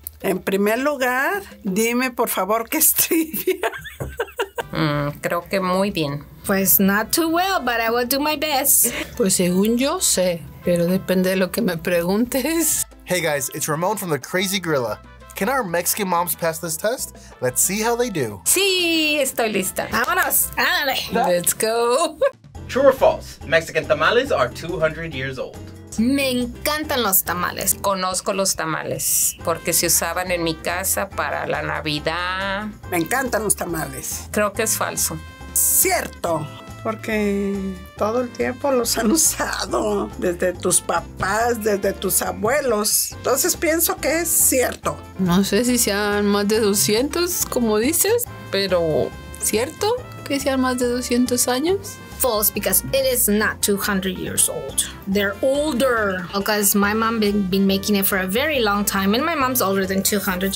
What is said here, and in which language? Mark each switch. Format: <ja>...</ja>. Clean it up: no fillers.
<es>En primer lugar, dime por favor qué es trivia. Creo que muy bien.</es> <en>Pues not too well, but I will do my best.</en> <es>Pues según yo sé, pero depende de lo que me preguntes.</es> <en>Hey guys, it's Ramon from the Crazy Gorilla. Can our Mexican moms pass this test? Let's see how they do.</en> <es>Sí, estoy lista. Vámonos. Ándale.</es> <en>Let's go. True or false? Mexican tamales are 200 years old.</en> <es>Me encantan los tamales. Conozco los tamales porque se usaban en mi casa para la Navidad. Me encantan los tamales. Creo que es falso. Cierto. Porque todo el tiempo los han usado, desde tus papás, desde tus abuelos. Entonces pienso que es cierto. No sé si sean más de 200, como dices, pero ¿cierto que sean más de 200 años?</es> <en>False, because it is not 200 years old. They're older, because my mom been making it for a very long time, and my mom's older than 200.</en>